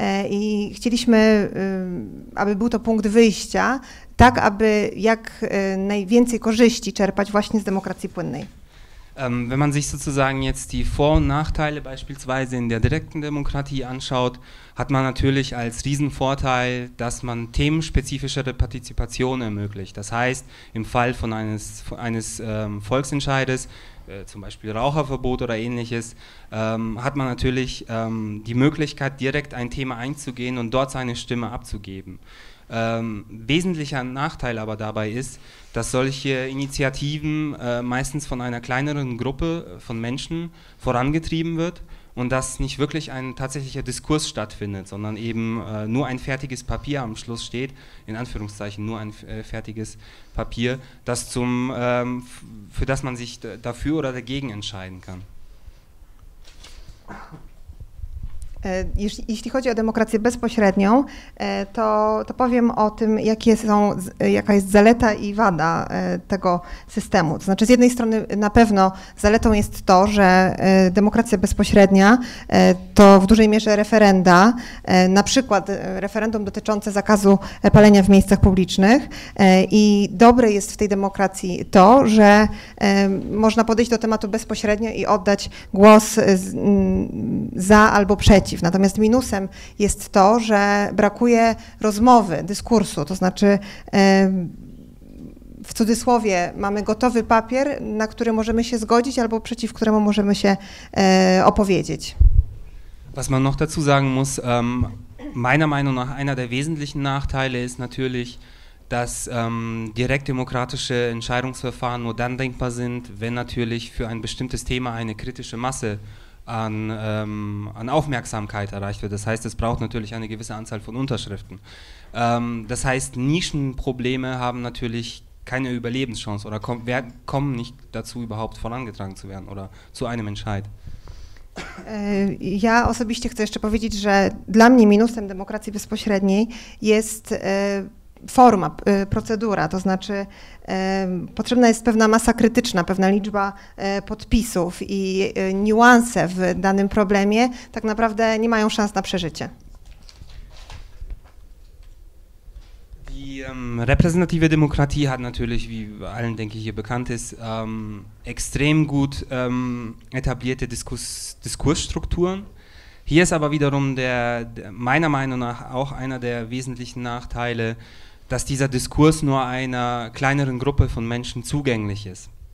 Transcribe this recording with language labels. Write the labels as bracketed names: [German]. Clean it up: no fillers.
[Polish] I chcieliśmy, aby był to punkt wyjścia, tak aby jak najwięcej korzyści czerpać właśnie z demokracji płynnej. [German] Wenn man sich sozusagen jetzt die Vor- und Nachteile beispielsweise in der direkten Demokratie anschaut, hat man natürlich als Riesenvorteil, dass man themenspezifischere Partizipation ermöglicht. Das heißt, im Fall von eines Volksentscheides, zum Beispiel Raucherverbot oder ähnliches, hat man natürlich die Möglichkeit, direkt ein Thema einzugehen und dort seine Stimme abzugeben. Wesentlicher Nachteil aber dabei ist, dass solche Initiativen meistens von einer kleineren Gruppe von Menschen vorangetrieben wird und dass nicht wirklich ein tatsächlicher Diskurs stattfindet, sondern eben nur ein fertiges Papier am Schluss steht, in Anführungszeichen nur ein fertiges Papier, das zum, für das man sich dafür oder dagegen entscheiden kann. [Polish] Jeśli chodzi o demokrację bezpośrednią, to powiem o tym, jaka jest zaleta i wada tego systemu. To znaczy, z jednej strony na pewno zaletą jest to, że demokracja bezpośrednia to w dużej mierze referenda, na przykład referendum dotyczące zakazu palenia w miejscach publicznych. I dobre jest w tej demokracji to, że można podejść do tematu bezpośrednio i oddać głos za albo przeciw. Natomiast minusem jest to, że brakuje rozmowy, dyskursu, to znaczy w cudzysłowie mamy gotowy papier, na który możemy się zgodzić albo przeciw któremu możemy się opowiedzieć. [German] Was man noch dazu sagen muss, meiner Meinung nach einer der wesentlichen Nachteile ist natürlich, dass direktdemokratische Entscheidungsverfahren nur dann denkbar sind, wenn natürlich für ein bestimmtes Thema eine kritische Masse an Aufmerksamkeit erreicht wird. Das heißt, es braucht natürlich eine gewisse Anzahl von Unterschriften. Das heißt, Nischenprobleme haben natürlich keine Überlebenschance oder kommen nicht dazu, überhaupt vorangetragen zu werden oder zu einem Entscheid. [Polish] Ja osobiście chcę jeszcze powiedzieć, że dla mnie minusem demokracji bezpośredniej jest forma, procedura, to znaczy potrzebna jest pewna masa krytyczna, pewna liczba podpisów i niuanse w danym problemie tak naprawdę nie mają szans na przeżycie. [German] Die repräsentative Demokratie hat natürlich, wie allen denke ich hier bekannt ist, extrem gut etablierte Diskursstrukturen. Hier ist aber wiederum meiner Meinung nach auch einer der wesentlichen Nachteile, dass dieser Diskurs nur einer kleineren Gruppe von Menschen zugänglich ist.